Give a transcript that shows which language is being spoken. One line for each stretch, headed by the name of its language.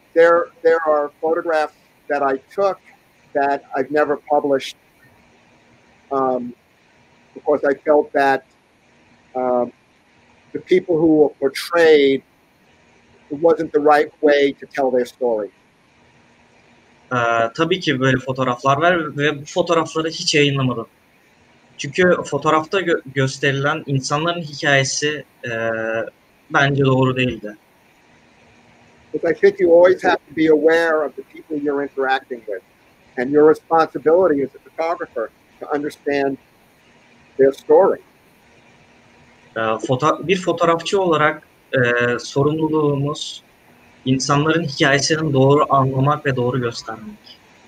English: There are photographs that I took that I've never published. Because I felt that the people who were portrayed, it wasn't the right way to tell their story.
Turkish: Tabii ki böyle fotoğraflar var ve bu fotoğrafları hiç yayınlamadım. Çünkü fotoğrafta gösterilen insanların hikayesi bence doğru değildi.
English: But I think you always have to be aware of the people you're interacting with, and your responsibility as a photographer to understand their story.
Turkish: Bir fotoğrafçı olarak sorumluluğumuz insanların hikayesini doğru anlamak ve doğru göstermek.